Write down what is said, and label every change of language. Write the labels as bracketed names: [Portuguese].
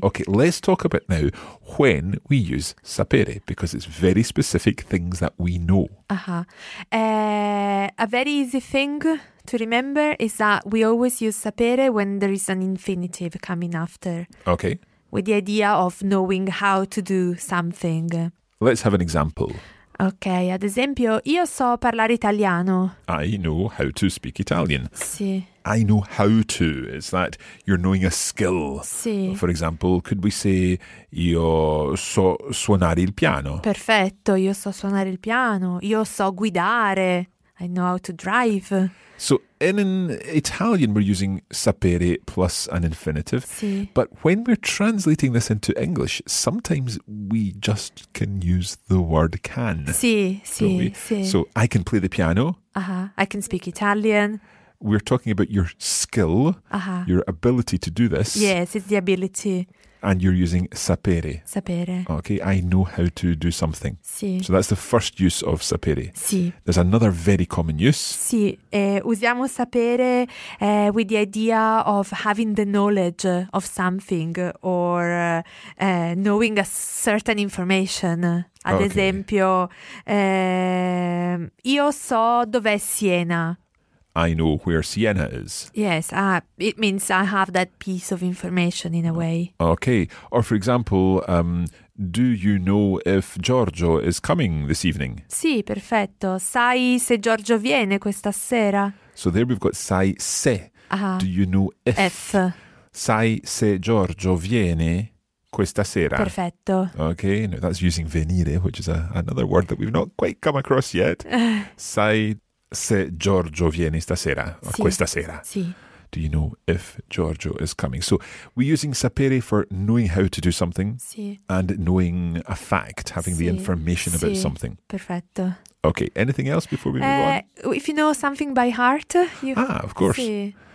[English] Okay, let's talk about now when we use sapere, because it's very specific things that we know. Uh-huh. A very easy thing to remember is that we always use sapere when there is an infinitive coming after. Okay. With the idea of knowing how to do something. Let's have an example. [Italian] Okay, ad esempio, io so parlare italiano. [English] I know how to speak Italian. [Italian] Sì. [English] I know how to. It's that you're knowing a skill. [Italian] Sì. [English] For example, could we say, [Italian] io so suonare il piano. Perfetto, io so suonare il piano. Io so guidare. [English] I know how to drive. So in Italian, we're using sapere plus an infinitive. [Italian] Sì. [English] But when we're translating this into English, sometimes we just can use the word can. [Italian] Sì, sì, sì. [English] So I can play the piano. Uh-huh. I can speak Italian. We're talking about your skill, uh-huh. Your ability to do this. Yes, it's the ability. And you're using sapere. [Italian] Sapere. [English] Okay, I know how to do something. [Italian] Sì. [English] So that's the first use of sapere. [Italian] Sì. [English] There's another very common use. [Italian] Sì, usiamo sapere [English] with the idea of having the knowledge of something or knowing a certain information. [Italian] Ad [English] okay. [Italian] esempio, io so dov'è Siena. [English] I know where Siena is. Yes, it means I have that piece of information in a way. Okay. Or for example, do you know if Giorgio is coming this evening? [Italian] Sì, perfetto. Sai se Giorgio viene questa sera? [English] So there we've got sai se. Uh-huh. Do you know if? F. [Italian] Sai se Giorgio viene questa sera? Perfetto. [English] Okay. Now that's using venire, which is another word that we've not quite come across yet. [Italian] Sai se Giorgio viene stasera, sì, questa sera. Sì. [English] Do you know if Giorgio is coming? So we're using sapere for knowing how to do something, [Italian] sì, [English] and knowing a fact, having, [Italian] sì, [English] the information, [Italian] sì, [English] about something. [Italian] Perfetto. [English] Okay, anything else before we move on? If you know something by heart. Of course. [Italian] Sì.